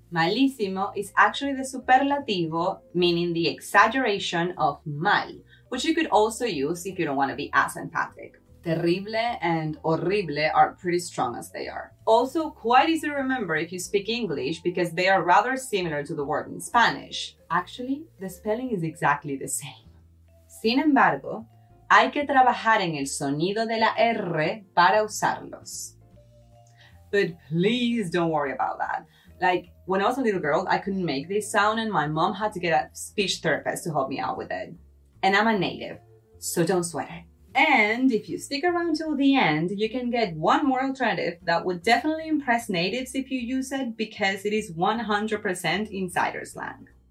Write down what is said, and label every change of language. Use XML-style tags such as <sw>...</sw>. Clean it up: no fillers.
<en>Malísimo is actually the superlativo, meaning the exaggeration of mal, which you could also use if you don't want to be as emphatic. Terrible and horrible are pretty strong as they are. Also, quite easy to remember if you speak English because they are rather similar to the word in Spanish. Actually, the spelling is exactly the same.</en> <es>Sin embargo, hay que trabajar en el sonido de la R para usarlos.</es> <en>But please don't worry about that. Like, when I was a little girl, I couldn't make this sound and my mom had to get a speech therapist to help me out with it. And I'm a native, so don't sweat it. And if you stick around till the end, you can get one more alternative that would definitely impress natives if you use it because it is 100% insider slang.</en>